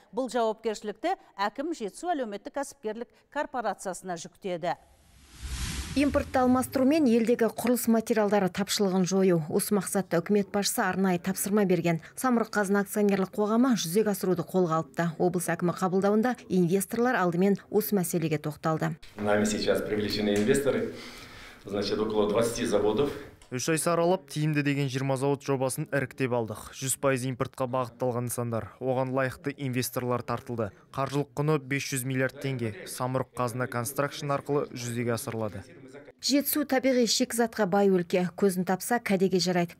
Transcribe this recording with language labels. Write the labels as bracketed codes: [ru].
[kk] Бұл жауапкершілікті әкім Жетісу әлеуметтік кәсіпкерлік корпорациясына жүктеді. Импортты алмастырумен елдегі құрылыс материалдары тапшылығын жою. Осы мақсатта үкімет басшысы арнайы тапсырма берген. Самұрық-Қазына акционерлік қоғамы жүзеге асыруды қолға алыпты. Облыс әкімі қабылдауында инвесторлар алдымен осы мәселеге тоқталды. [ru] Нами сейчас привлечены инвесторы, значит, около 20 заводов. [kk] Үш ай саралап, тиімді деген 20 зауыт жобасын іріктеп алдық. 100% импортқа бағытталған нысандар. Оған лайықты инвесторлар тартылды. Қаржылық құны 500 миллиард теңге. Самұрық-Қазына Констракшн арқылы жүзеге асырылады. Жетісу табиғи шикізатқа бай өлке. Көзін тапса, кәдеге жарайды.